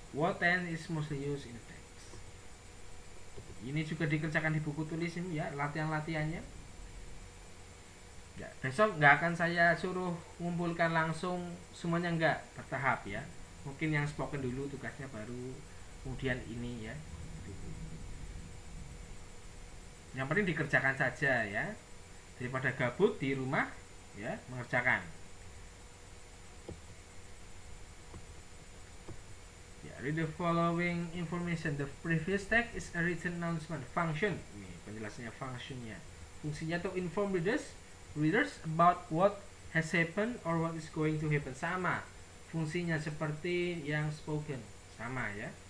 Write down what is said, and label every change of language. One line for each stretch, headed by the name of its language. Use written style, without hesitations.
English: What tense is mostly used in the text?
Indonesian: Ini juga dikerjakan di buku tulis ini ya, latihan-latihannya. Ya, besok nggak akan saya suruh ngumpulkan langsung semuanya, nggak, bertahap ya. Mungkin yang spoken dulu tugasnya, baru kemudian ini ya. Yang penting dikerjakan saja ya, daripada gabut di rumah ya mengerjakan.
English: Read the following information. The previous text is a written announcement function.
Indonesian: Ini penjelasannya, functionnya. Fungsinya tuh
English: inform readers about what has happened or what is going to happen.
Indonesian: Sama fungsinya seperti yang spoken, sama ya.